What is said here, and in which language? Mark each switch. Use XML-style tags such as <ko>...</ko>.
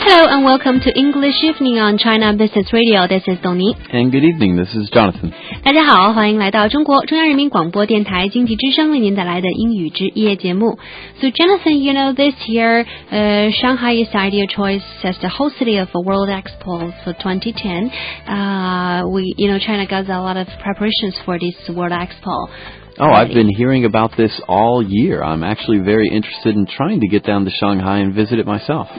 <en>and welcome to English Evening on China Business Radio. This is Dong Ning. And good evening, this is Jonathan.</en> <zh>大家好，欢迎来到中国中央人民广播电台经济之声为您带来的英语之夜节目。</zh> <en>So Jonathan, you know, this year, Shanghai is the ideal choice as the host city of a World Expo for 2010. China got a lot of preparations for this World Expo. Oh, I've been hearing about this all year. I'm actually very interested in trying to get down to Shanghai and visit it myself.</en>